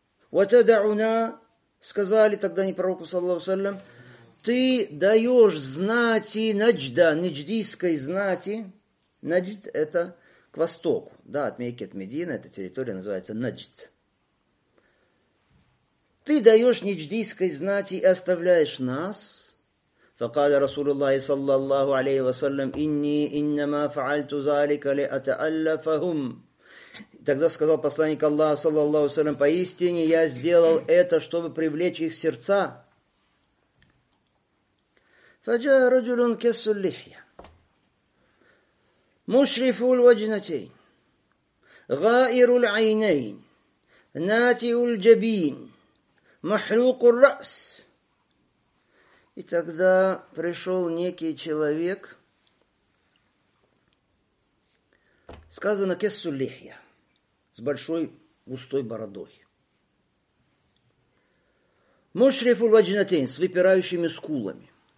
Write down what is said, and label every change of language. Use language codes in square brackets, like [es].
[ru] Вот адауна, сказали тогда не пророку, саллаллаху алейхи ва саллям, ты даешь знати наджда, надждийской знати. Наджд это к востоку, да, от Мекки, от Медины, эта территория называется Наджд. Ты даешь надждийской знати и оставляешь нас. [ar] فقال رسول الله صلى الله عليه وسلم إني إنما فعلت ذلك لأتألفهم. [ru] Тогда сказал посланник Аллаха [ar] صلى الله عليه وسلم, [ru] поистине я сделал это, чтобы привлечь их сердца. [ar] فجاء رجل كسو اللحية مشرف الوجنتين غائر العينين ناتئ الجبين محروق الرأس. [ru] И тогда пришел некий человек, сказано кессулихья, с большой густой бородой. [ar] Мушрифу ваджнатейн, [ru] с выпирающими скулами.